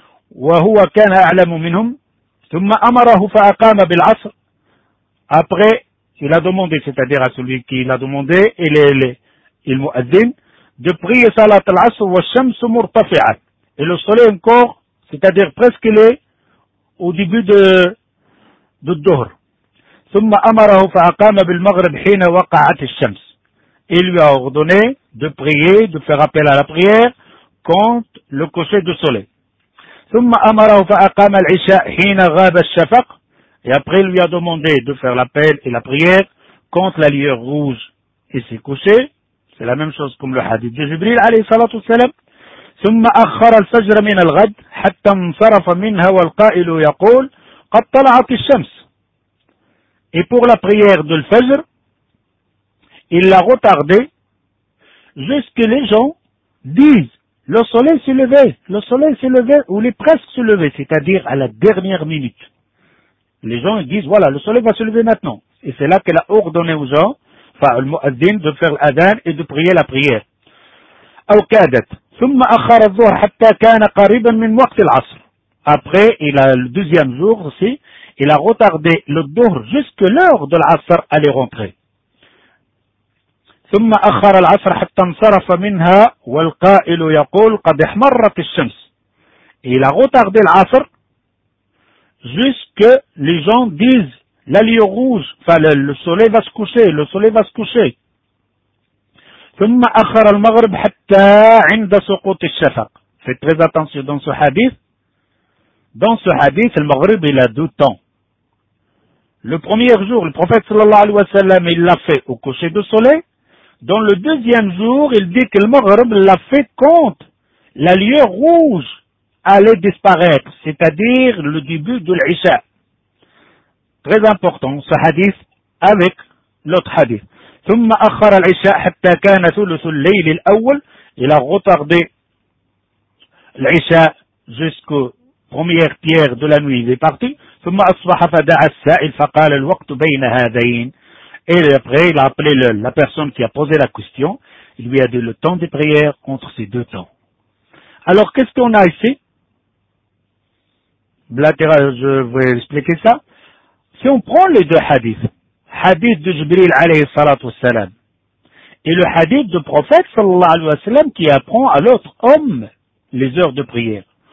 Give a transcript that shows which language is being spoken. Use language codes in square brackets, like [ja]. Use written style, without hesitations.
[ar] وهو كان أعلم منهم ثم أمره فأقام بالعصر. [fr] Après, il a demandé, c'est-à-dire à celui qui l'a demandé, il mu'addin, de prier salat al-asr [ar] wa shams murtafi'at. [fr] Et le soleil encore, c'est-à-dire presque il est au début de dhuhr. [ar] ثم أمره فأقام بالمغرب حين وقعت الشمس. [fr] Il lui a ordonné de prier, de faire appel à la prière quand le coucher du soleil. [ar] ثم أمره فأقام العشاء حين غاب الشفق. [fr] Et après il lui a demandé de faire l'appel et la prière quand la lueur rouge et s'est couchée. C'est la même chose comme le hadith de Jibril, alayhi salatu wa salam. [ar] ثم أخر الفجر من الغد حتى انصرف منها والقائل يقول قد طلعت الشمس. [fr] Et pour la prière de l'Fajr, il l'a retardé jusqu'à ce que les gens disent le soleil s'est levé, le soleil s'est levé, ou il est presque se levé, c'est-à-dire à la dernière minute. Les gens disent, voilà, le soleil va se lever maintenant. Et c'est là qu'elle a ordonné aux gens, enfin, le mu'addin, de faire l'adhan et de prier la prière. Al-Qadat. [ar] ثم أخر الظهر حتى كان قريبا من وقت العصر. [fr] Après, il a le deuxième jour aussi, il a retardé le dhuhr jusque l'heure de l'asr allait rentrer. [ar] ثم أخر العصر حتى انصرف منها والقائل يقول قد احمرت الشمس. [fr] Il a retardé l'asr jusque les gens disent la lueur rouge, enfin le soleil va se coucher, le soleil va se coucher. [ar] ثم أخر المغرب حتى عند سقوط الشفق. [fr] Faites très attention dans ce hadith. Dans ce hadith, le maghrib, il a 2 temps. Le premier jour, le prophète sallallahu alayhi wa sallam, il l'a fait au coucher du soleil. Dans le deuxième jour, il dit que le maghrib l'a fait quand la lueur rouge allait disparaître, c'est-à-dire le début de l'Isha. Très important, ce hadith avec l'autre hadith. [ar] ثم أخر العشاء حتى كان ثلث الليل الأول. [fr] Il a retardé العشاء jusqu'au première tiers de la nuit, il est parti. [ar] ثم أصبح فدعا السائل فقال الوقت بين هذين. [fr] Et après, il a appelé la personne qui a posé la question. Il lui a dit le temps des prières entre ces 2 temps. Alors, qu'est-ce qu'on a ici? Latéral, je vais expliquer ça. Si on prend les 2 hadiths, hadith de Jibril alayhi salatu wa salam et le hadith du prophète sallallahu alayhi wa sallam qui apprend à l'autre homme les heures de prière.